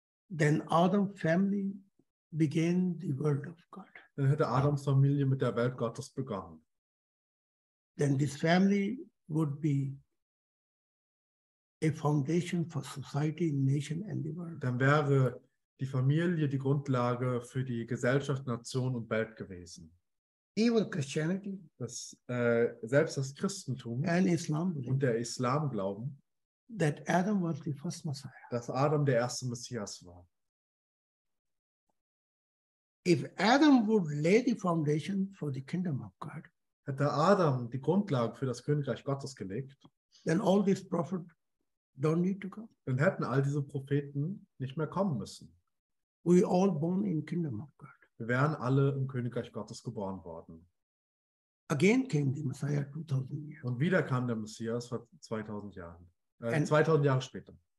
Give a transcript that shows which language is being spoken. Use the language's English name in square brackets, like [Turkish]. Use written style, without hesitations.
[English] Then Adam's family began the world of God. [German] Dann hätte Adams Familie mit der Welt Gottes begonnen. [English] Then this family would be a foundation for society, nation and the world. [German] Dann wäre die Familie die Grundlage für die Gesellschaft, Nation und Welt gewesen. [English] Even Christianity, [German] selbst das Christentum [English] and Islam [German] und der Islam glauben, [English] that Adam was the first Messiah. [German] Dass Adam der erste Messias war. [English] If Adam would lay the foundation for the kingdom of God, [German] hätte Adam die Grundlage für das Königreich Gottes gelegt, [English] then all these prophets don't need to come. [German] Dann hätten all diese Propheten nicht mehr kommen müssen. [English] We all born in kingdom of God. [German] Wir wären alle im Königreich Gottes geboren worden. [English] Again came the Messiah 2000 years. [German] Und wieder kam der Messias vor 2000 Jahren. 2000 Jahre später.